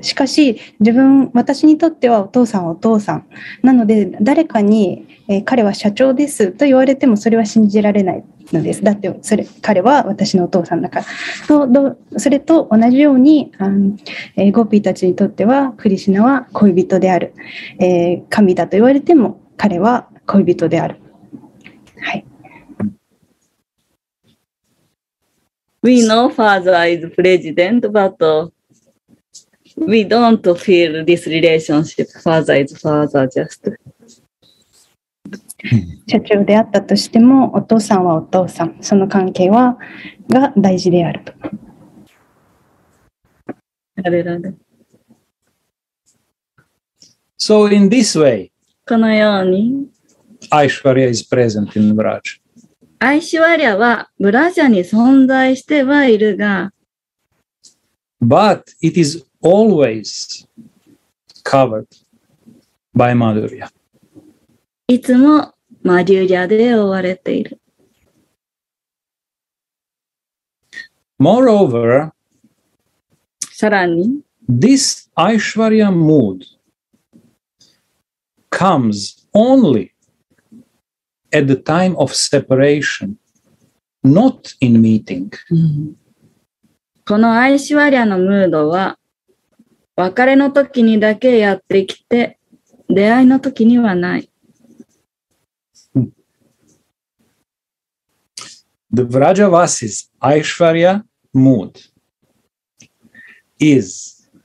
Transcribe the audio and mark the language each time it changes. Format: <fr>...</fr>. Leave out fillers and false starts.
<ja>しかし私にとってはお父さんはお父さんなので、誰かに、彼は社長ですと言われてもそれは信じられないのです。だってそれ彼は私のお父さんだから。それと同じように、ゴーピーたちにとってはクリシュナは恋人である、神だと言われても彼は恋人である。はい。</ja> <en>We know father is president, but we don't feel this relationship. Father is father just</en> <ja>社長であったとしてもお父さんはお父さん、その関係はが大事であると。あれあれ。</ja> <en>So in this way,</en> <ja>このように</ja> <en>アイシュワリア is present in Braj.</en> <ja>アイシュワリアはブラジャに存在してはいるが、</ja> <en>But it is always covered by Madhurya.</en> <ja>いつもマデューリャで覆われている。</ja> <en>Moreover,</en> <ja>さらに、</ja> <en>this Aishwarya mood comes only at the time of separation, not in meeting.</en> <ja>このアイシュワリアのムードは、別れの時にだけやってきて、出会いの時にはない。</ja> <en>The Vrajavasi's Aishwarya mood is</en>